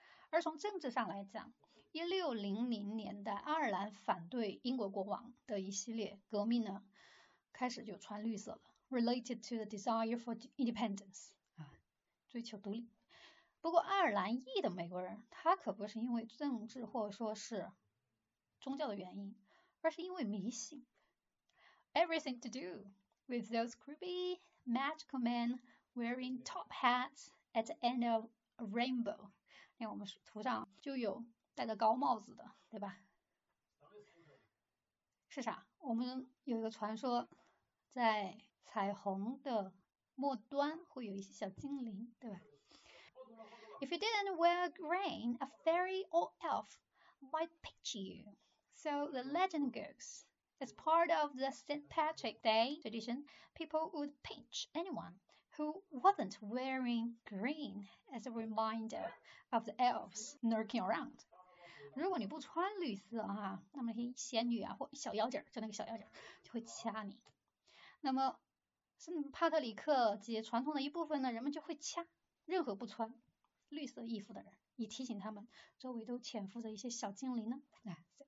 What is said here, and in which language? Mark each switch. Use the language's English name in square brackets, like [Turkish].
[Chinese] 而从政治上来讲，1600年代，爱尔兰反对英国国王的一系列革命呢，开始就穿绿色了， [English] related to the desire for independence [Chinese] 啊，追求独立。不过爱尔兰裔的美国人，他可不是因为政治或者说是宗教的原因，而是因为迷信。 [English] Everything to do with those creepy magical men wearing top hats at the end of a rainbow。 [Chinese] 因为我们图上就有戴着高帽子的，对吧？是啥？我们有一个传说，在彩虹的末端会有一些小精灵，对吧？ [English] If you didn't wear green, a fairy or elf might pinch you. So the legend goes, as part of the St. Patrick Day tradition, people would pinch anyone who wasn't wearing green as a reminder of the elves lurking around。 [Chinese] 如果你不穿绿色哈、啊，那么那些仙女啊或小妖精儿，就那个小妖精儿就会掐你。那么圣帕特里克节传统的一部分呢，人们就会掐任何不穿绿色衣服的人，以提醒他们周围都潜伏着一些小精灵呢。哎，